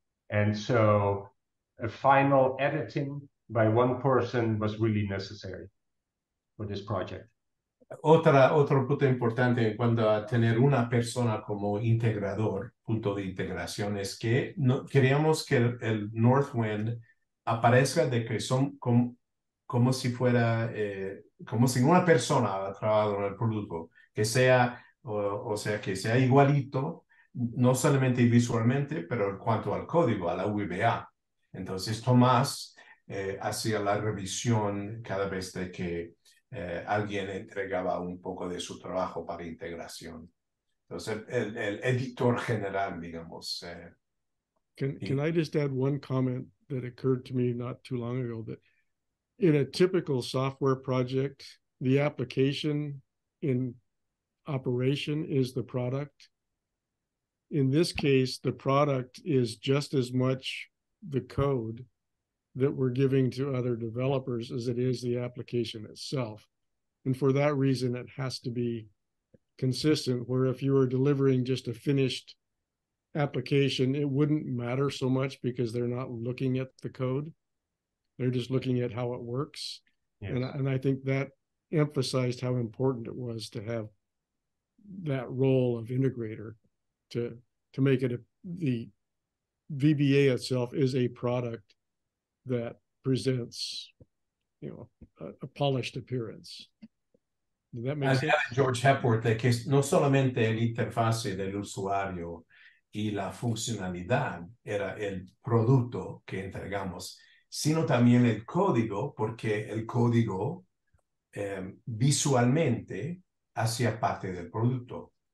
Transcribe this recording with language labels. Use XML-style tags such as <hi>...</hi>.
<en>And so a final editing by one person was really necessary. for this project.</en> <es>Otro punto importante en cuanto a tener una persona como integrador, punto de integración, es que no, queríamos que el Northwind aparezca de que son como si fuera, como si una persona ha trabajado en el producto, que sea, o sea, que sea igualito, no solamente visualmente, pero en cuanto al código, a la UBA. Entonces, Tomás hacía la revisión cada vez de que alguien entregaba un poco de su trabajo para integración. Entonces, el editor general, digamos.</es> <en>Can I just add one comment that occurred to me not too long ago, that in a typical software project, the application in operation is the product. In this case, the product is just as much the code that we're giving to other developers as it is the application itself. And for that reason, it has to be consistent, where if you are delivering just a finished application, it wouldn't matter so much because they're not looking at the code. They're just looking at how it works. Yes. And I think that emphasized how important it was to have that role of integrator to make it the VBA itself is a product that presents, you know, a polished appearance. Does that make sense?</en> <es>George Hepworth, que no solamente la interfase del usuario y la funcionalidad era el producto que entregamos, sino también el código, porque el código visualmente hacía parte del producto.</es>